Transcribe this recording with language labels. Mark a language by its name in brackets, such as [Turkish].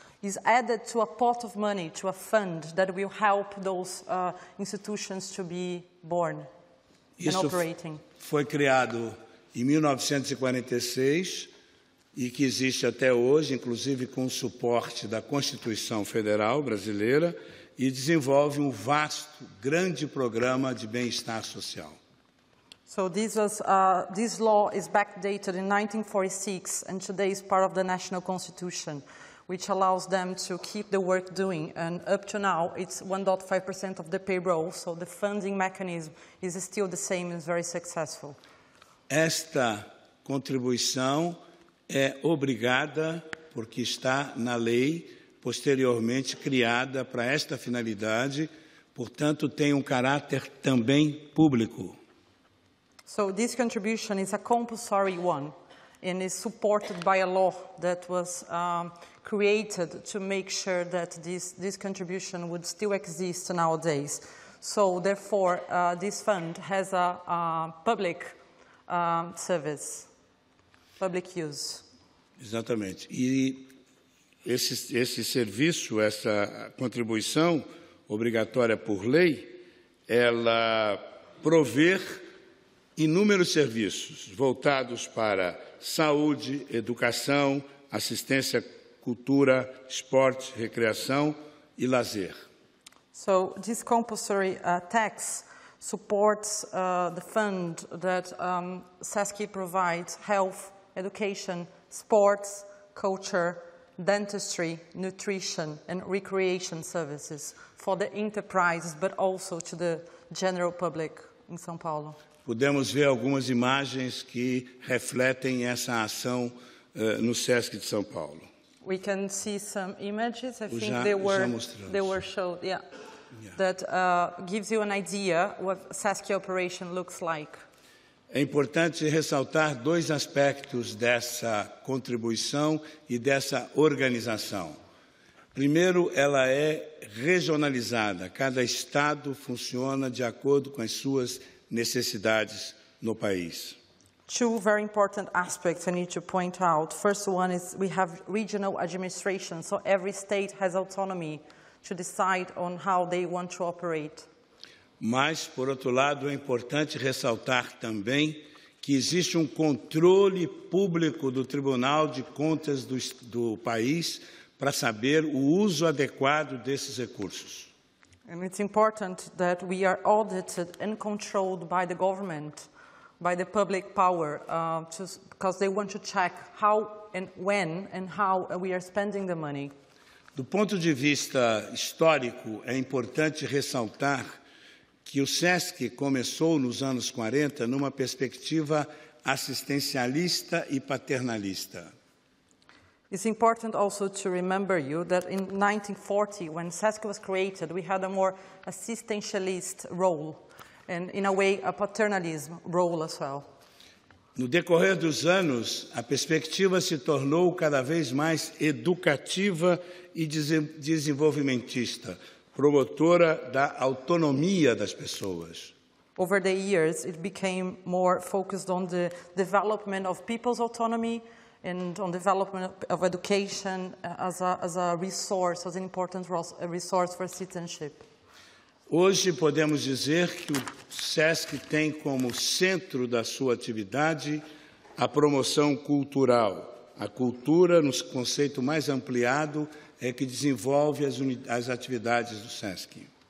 [English] is added to a pot of money, to a fund that will help those institutions to be born [Portuguese] Isso [English] and operating. [Portuguese] Foi criado em 1946 e que existe até hoje, inclusive com o suporte da Constituição Federal brasileira, e desenvolve um vasto, grande programa de bem-estar social. [English] So this was this law is backdated in 1946 and today is part of the national constitution, which allows them to keep the work doing. And up to now, it's 1.5% of the payroll, so the funding mechanism is still the same and very successful. [Portuguese] Esta contribuição é obrigada porque está na lei posteriormente criada para esta finalidade, portanto tem caráter também público. [English] So this contribution is a compulsory one and is supported by a law that was created to make sure that this contribution would still exist nowadays. So therefore, this fund has a public service, public use. [Portuguese] Exatamente. E esse serviço, essa contribuição obrigatória por lei, ela prover inúmeros serviços voltados para saúde, educação, assistência, cultura, esporte, recreação e lazer. [English] So this compulsory tax supports the fund that SESC provides health, education, sports, culture, dentistry, nutrition and recreation services for the enterprises but also to the general public in São Paulo. [Portuguese] Podemos ver algumas imagens que refletem essa ação no SESC de São Paulo. [English] We can see some images. I think they were showed. Yeah. That gives you an idea what SESC operation looks like. [Portuguese] É importante ressaltar dois aspectos dessa contribuição e dessa organização. Primeiro, ela é regionalizada. Cada estado funciona de acordo com as suas necessidades no país. [English] Two very important aspects I need to point out. First one is we have regional administration, so every state has autonomy to decide on how they want to operate. [Portuguese] Mas, por outro lado, é importante ressaltar também que existe controle público do Tribunal de Contas do país para saber o uso adequado desses recursos. [English] And it's important that we are audited and controlled by the government, by the public power, because they want to check how and when and how we are spending the money. [Portuguese] Do ponto de vista histórico, é importante ressaltar que o SESC começou nos anos 40 numa perspectiva assistencialista e paternalista. [English] It's important also to remember you that in 1940, when SESC was created, we had a more assistentialist role and, in a way, a paternalism role as well. [Portuguese] No decorrer dos anos, a perspectiva se tornou cada vez mais educativa e desenvolvimentista, promotora da autonomia das pessoas. [English] Over the years, it became more focused on the development of people's autonomy and on development of education as a resource, as an important resource for citizenship. [Portuguese] Hoje podemos dizer que o SESC tem como centro da sua atividade a promoção cultural. A cultura, no conceito mais ampliado, é que desenvolve as atividades do SESC.